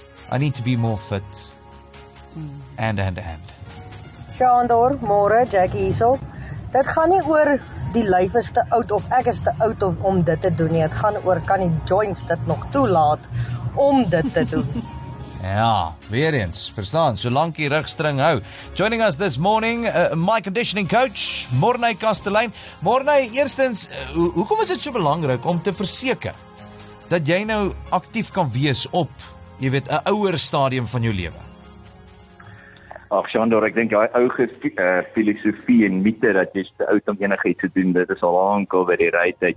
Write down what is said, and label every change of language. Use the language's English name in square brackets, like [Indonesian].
[English] I need to be more fit. And. [Afrikaans] Shandor, môre, Jackie Hiesel. Dit gaan nie oor die lyf is te oud of ek is te oud om dit te doen nie. Dit gaan oor kan die joints dit nog toelaat om dit te doen. Ja, weer eens, verstaan, solank jy rugstring hou. [English] Joining us this morning, my conditioning coach, Morne Castelyn. [Afrikaans] Morne, eerstens, hoekom is dit so belangrik om te verseker dat jy nou aktief kan wees op, jy weet, 'n ouer stadium van jou lewe? Ag, Shandor, ek dink jy ou filosofie en mite dat jy te oud om enigiets te doen, dit is al lank oor die ryte.